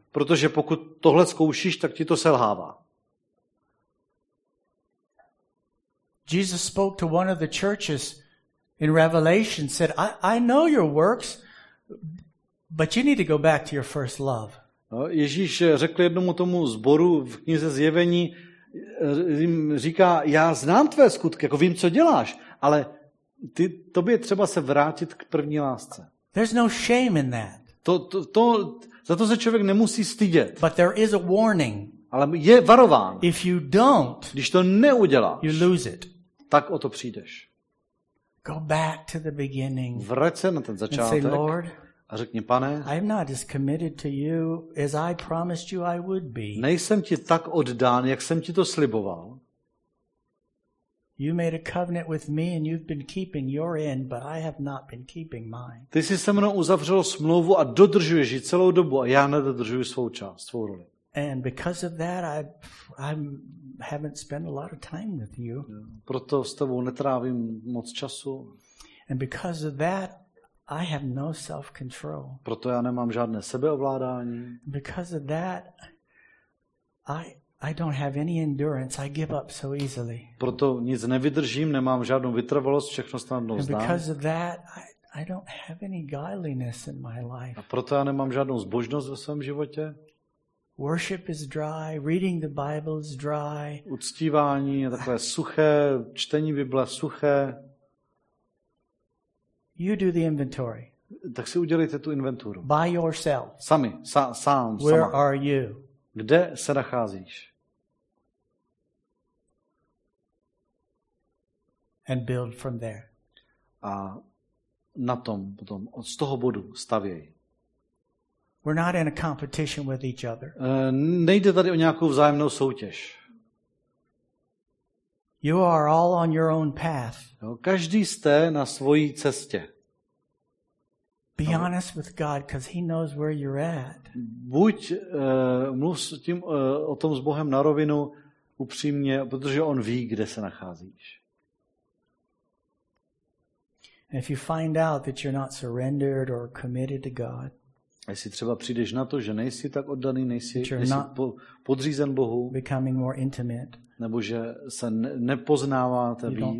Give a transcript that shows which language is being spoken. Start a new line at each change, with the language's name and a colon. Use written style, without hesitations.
Czech: Protože pokud tohle zkoušíš, tak ti to selhává.
English: Jesus spoke to one of the churches in Revelation, said, I know your works, but you need to go back to your first love.
Czech: Ježíš řekl jednomu tomu zboru v knize Zjevení, říká, já znám tvé skutky, jako vím, co děláš, ale tobě je třeba se vrátit k první lásce.
English: There's no shame in that.
Czech: Za to se člověk nemusí stydět.
English: But there is a warning.
Czech: Ale je varován.
English: If you don't,
Czech: když to neuděláš,
English: you lose it.
Czech: Tak o to přijdeš.
English: Go back to the beginning.
Czech: Vrať se na ten začátek.
English: And say, Lord,
Czech: a řekni, Pane,
English: I'm not as committed to you as I promised you I would be.
Czech: Nejsem ti tak oddán, jak jsem ti to sliboval.
English: You made a covenant with me and you've been keeping your end, but I have not been keeping mine.
Czech: Ty jsi se mnou uzavřel smlouvu a dodržuješ ji celou dobu a já nedodržuji svou část, svou roli.
English: And because of that I haven't spent a lot of time with you.
Czech: Proto s tebou netrávím moc času.
English: And because of that I have no self-control.
Czech: Proto já nemám žádné sebeovládání.
English: Because of that, I don't have any endurance. I give up so easily.
Czech: Proto nic nevydržím, nemám žádnou vytrvalost, všechno snadno vzdám.
English: Because of that, I don't have any godliness in my life.
Czech: A proto já nemám žádnou zbožnost ve svém životě.
English: Worship is dry, reading the Bible is dry.
Czech: Uctívání je takové suché, čtení Bible suché.
English: You do the inventory.
Czech: Tak si udělejte tu inventuru.
English: By yourself.
Czech: Sami, sám.
English: Where
Czech: sama.
English: Are you?
Czech: Kde se nacházíš?
English: And build from there.
Czech: A na tom potom od toho bodu stavěj.
English: We're not in a competition with each other.
Czech: Nejde tady o nějakou vzájemnou soutěž.
English: You are all on your own path.
Czech: Jo, každý jste na svojí cestě.
English: Be honest with God, because He knows where you're at.
Czech: Buď mluv s tím o tom s Bohem na rovinu upřímně, protože On ví, kde se nacházíš.
English: And if you find out that you're not surrendered or committed to God,
Czech: A jestli třeba přijdeš na to, že nejsi tak oddaný, nejsi podřízen Bohu, nebo že se nepoznáváte víc,